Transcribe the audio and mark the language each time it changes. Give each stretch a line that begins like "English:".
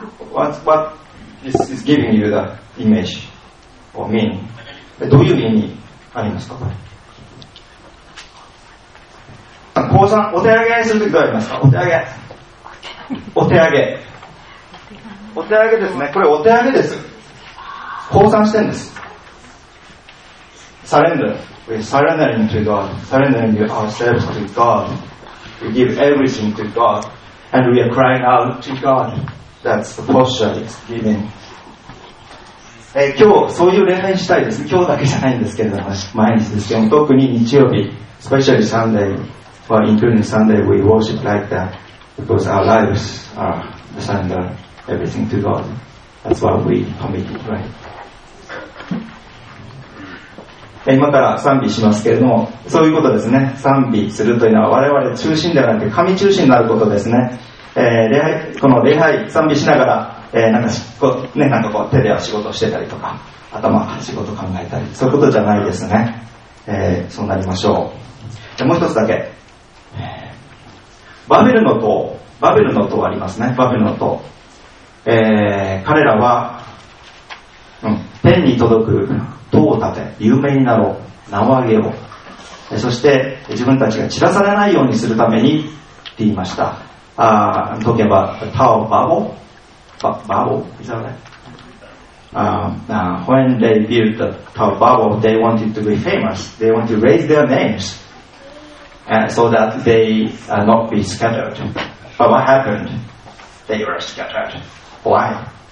English: What this is giving you the image or meaning?
Japanese: どういう意味ありますか、これ。お手上げするときどうやりますか、お手上げですね、これお手上げです、降参してるんです、サレンダー、
English: We're surrendering to God, surrendering ourselves to God, we give everything to God and we are crying out to God, that's the posture it's giving. 今日そういう礼拝したいです、今日だけじゃないんですけれども、毎日ですけど、特に日曜日、 especially Sunday Well, including Sunday, we worship like that because our lives are the surrender everything to God. That's what we committed, right?
Japanese: 今から賛美しますけれども、そういうことですね。賛美するというのは我々中心ではなくて神中心になることですね。この礼拝賛美しながら、なんかこう手で仕事してたりとか、頭仕事考えたり、そういうことじゃないですね。そうなりましょう。じゃもう一つだけ、バベルの塔、バベルの塔ありますね、バベルの塔、彼らは、天に届く塔を建て有名になろう、名を上げよう、そして自分たちが散らされないようにするためにって言いました。解けばタオバボバボイザーレ
English: When they built the Tower of Babel, they wanted to be famous. They wanted to raise their names, so that they not be scattered. But what happened? They were scattered. Why?